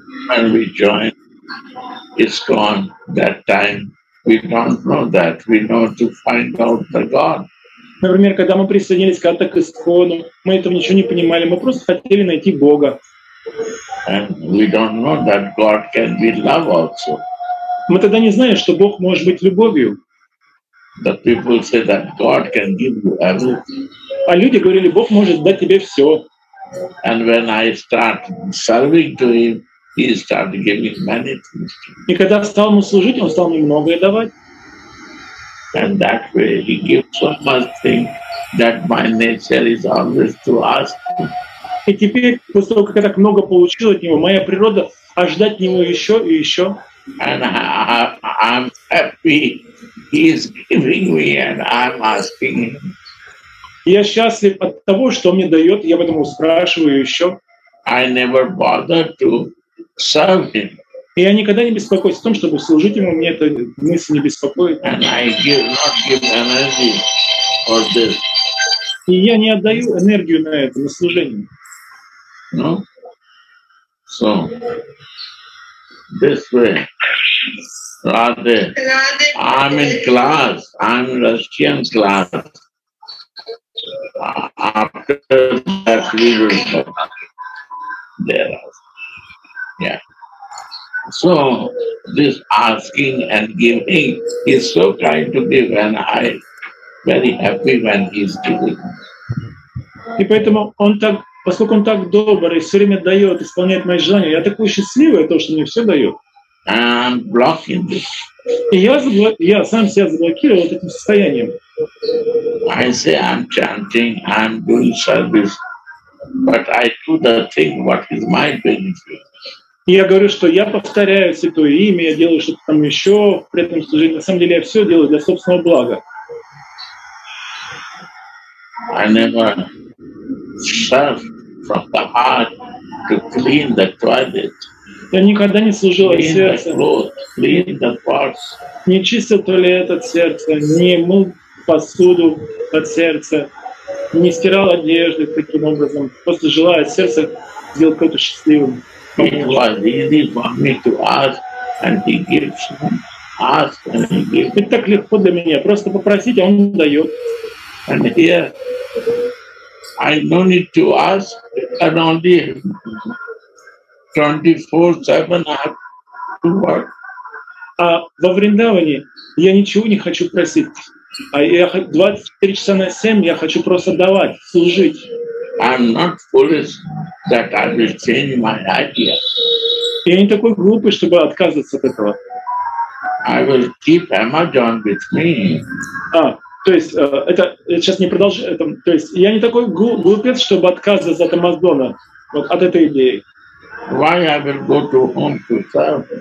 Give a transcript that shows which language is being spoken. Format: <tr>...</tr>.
<en>When we join, it's gone. That time we don't know that. We know to find out the God.</en> <ru>Например, когда мы присоединились как-то к Истхону, мы этого ничего не понимали. Мы просто хотели найти Бога.</ru> <en>And we don't know that God can be love also.</en> <ru>Мы тогда не знали, что Бог может быть любовью.</ru> <en>The people say that God can give you everything.</en> <ru>А люди говорили, Бог может дать тебе все.</ru> <en>And when I start serving to him, he started giving many things to</en> <ru>me. И когда стал ему служить, он стал мне многое давать.</ru> <en>And that way he gives so much things that my nature is always to ask.</en> <ru>И теперь, после того, как я так много получил от него, моя природа ожидать от него еще и еще.</ru> <en>And I'm happy. He's giving me, and I'm asking him.</en> <ru>Я счастлив от того, что он мне дает, я поэтому спрашиваю еще.</ru> <en>I never bothered to serve him.</en> <ru>Я никогда не беспокоюсь о том, чтобы служить ему, мне эта мысль не беспокоит.</ru> <en>And I give not give energy for this.</en> <ru>И я не отдаю энергию на это, на служение.</ru> <en>No? So, this way, Radhe, I'm in class, I'm in Russian class. After that, we will come there. Yeah. So, this asking and giving, he's so kind to give, and I'm very happy when he's giving.</en> <ru>И поэтому он так, поскольку он так добр и все время дает, исполняет мои желания, я такой счастливый, то, что мне все дает.</ru> <en>I'm blocking this.</en> <ru>И я сам себя заблокировал этим состоянием.</ru> <en>I say I'm chanting, I'm doing service, but I do the thing, what is my benefit.</en> <ru>Я говорю, что я повторяю святое имя, я делаю что-то там еще при этом служении. На самом деле я все делаю для собственного блага.</ru> <en>I never serve from the heart to clean the toilet.</en> <ru>Я никогда не служил от сердца.</ru> <en>Clean the parts.</en> <ru>Не чистил туалет от сердца, не мыл посуду от сердца, не стирал одежды таким образом. Просто желаю от сердца сделать кого-то счастливым.</ru> <en>It was easy for me to ask, and he gives. Ask and he gives.</en> <ru>Это так легко для меня. Просто попросить, а он дает.</ru> <en>And here, I no need to ask, and only 24/7 I have to work.</en> <ru>А во Вриндаване я ничего не хочу просить. А я 24 часа на 7 я хочу просто давать, служить.</ru> <en>I'm not foolish that I will change my idea.</en> <ru>Я не такой глупый, чтобы отказываться от этого.</ru> <en>I will keep Amazon with me.</en> <ru>А, то есть это сейчас не продолжаю. То есть я не такой глупец, чтобы отказываться от Амазона, вот от этой идеи.</ru> <en>Why I will go to home to serve?</en>